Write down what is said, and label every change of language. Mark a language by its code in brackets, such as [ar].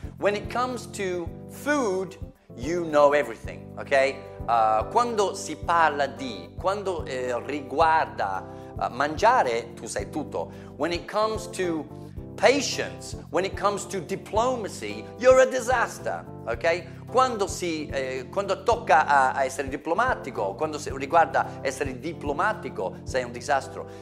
[en] When it comes to food, you know everything, ok? [it] Quando si parla di, quando riguarda mangiare, tu sai tutto. [en] When it comes to patience, when it comes to diplomacy, you're a disaster, ok? [it] Quando tocca a essere diplomatico, quando si riguarda essere diplomatico, sei un disastro.